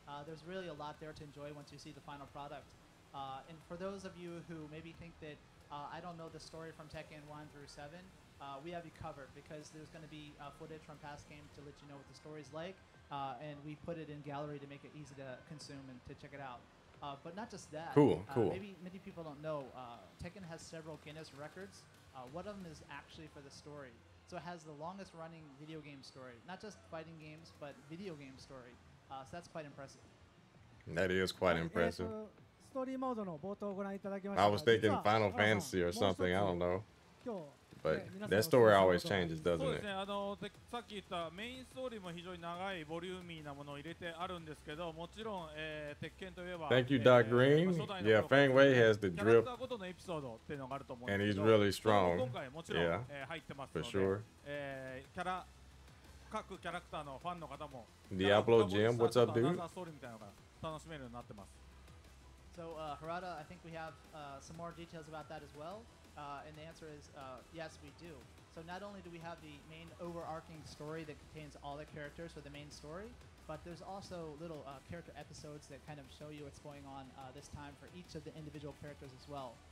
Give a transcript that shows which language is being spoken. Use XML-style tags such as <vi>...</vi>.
<en>There's really a lot there to enjoy once you see the final product. And for those of you who maybe think that I don't know the story from Tekken 1 through 7, we have you covered because there's going to be footage from past games to let you know what the story is like, and we put it in gallery to make it easy to consume and to check it out. But not just that. Cool, cool. Maybe many people don't know, Tekken has several Guinness records. One of them is actually for the story. So it has the longest running video game story, not just fighting games, but video game story. So that's quite impressive. That is quite impressive.</en> <ja>ストーリーモードの冒頭をご覧いただきました。</ja> <en>I was thinking Final Fantasy or something. I don't know. But that story always changes, doesn't it?</en> <ja>そうですね。さっき言ったメインストーリーも非常に長いボリューミーなものを入れてあるんですけど、もちろん鉄拳といえば。</ja> <en>Thank you, Doc Green. Yeah, Feng Wei has the drip.</en> <ja>キャラクターごとのエピソードっていうのがあると思うんですけど。</ja> <en>And he's really strong.</en> <ja>今回もちろん入ってますので。</ja> <en>For sure.</en> <ja>キャラ各キャラクターのファンの方も。</ja> <en>Diablo Jim, what's up, dude?</en> <ja>アナザーストーリーみたいなのが楽しめるようになってます。</ja> <en>So, Harada, I think we have some more details about that as well. And the answer is yes, we do. So, not only do we have the main overarching story that contains all the characters for the main story, but there's also little character episodes that kind of show you what's going on this time for each of the individual characters as well.</en>